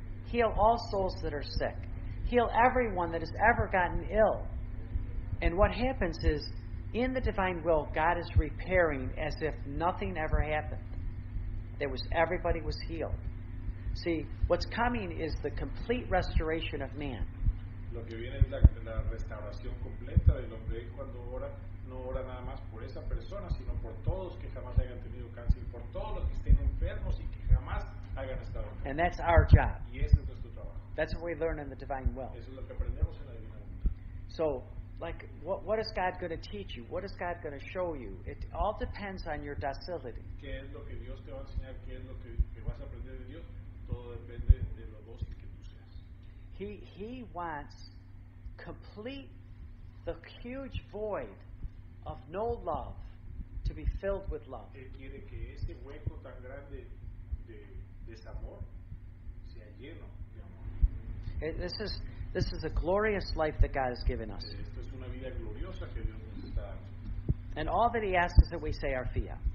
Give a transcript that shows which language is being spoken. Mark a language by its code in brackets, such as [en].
[en] Heal all souls that are sick. Heal everyone that has ever gotten ill. And what happens is, in the divine will, God is repairing as if nothing ever happened. Everybody was healed. See, what's coming is the complete restoration of man. [es] Lo que viene es la restauración completa del hombre cuando ora, no ora nada más por esa persona, sino por todos que jamás hayan tenido cáncer, por todos los que estén enfermos y que jamás. [en] And that's our job. [es] Y ese es nuestro trabajo. [en] That's what we learn in the divine will. [es] Eso es lo que aprendemos en la divina voluntad. [en] So, like, what is God going to teach you? What is God going to show you? It all depends on your docility. [es] ¿Qué es lo que Dios te va a enseñar? ¿Qué es lo que vas a aprender de Dios? Todo depende de lo dócil que tú seas. [en] He wants to complete the huge void of no love to be filled with love. [es] Él quiere que ese hueco tan grande de desamor sea lleno de amor. [en] This is a glorious life that God has given us. [es] Esto es una vida gloriosa que Dios nos está dando. [en] And all that he asks is that we say our Fiat.